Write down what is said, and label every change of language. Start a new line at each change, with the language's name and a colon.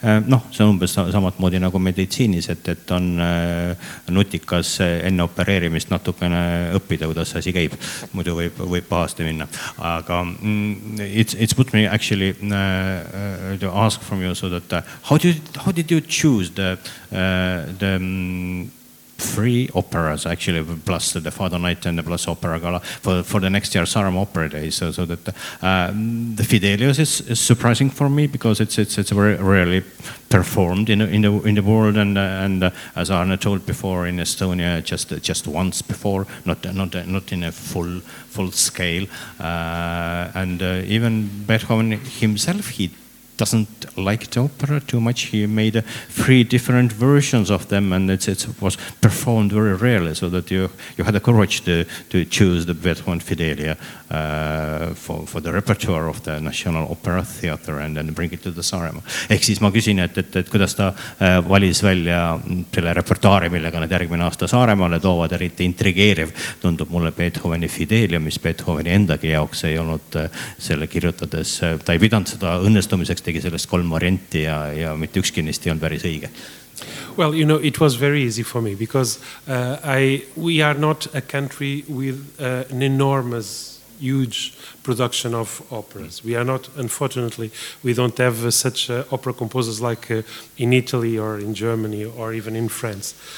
Estonian: Noh, see on umbes samat moodi nagu meditsiinis, et on nutikas enne opereerimist natukene õppida, kuidas asi käib, muidu võib pahasti minna. Aga
English: it's put me actually... to ask from you, so that how did you choose the three operas, actually, plus the Father Night and the plus Opera Gala for the next year, Sarum Opera Day. So the Fidelius is surprising for me, because it's very rarely performed in the world, and as Arne told before, in Estonia just once before, not in a full scale, and even Beethoven himself, he doesn't like the opera too much. He made three different versions of them, and it was performed very rarely, so that you had the courage to choose the Beethoven Fidelia for the repertoire of the National Opera Theatre and then bring it to the Saaremaa.
Estonian: Ehk siis ma küsin, et kuidas ta valis välja selle repertuari, millega nad järgmine aasta Saaremaale toovad, eriti intrigeeriv, tundub mulle Beethoveni Fidelia, mis Beethoveni endagi jaoks ei olnud selle kirjutades. Ta ei pidanud seda õnnestumiseks, tegi sellest kolm varianti ja mitte ükski neist ei olnud päris õige.
English: Well, you know, it was very easy for me, because we are not a country with an enormous huge production of operas. We are not, unfortunately, we don't have such opera composers like in Italy or in Germany or even in France.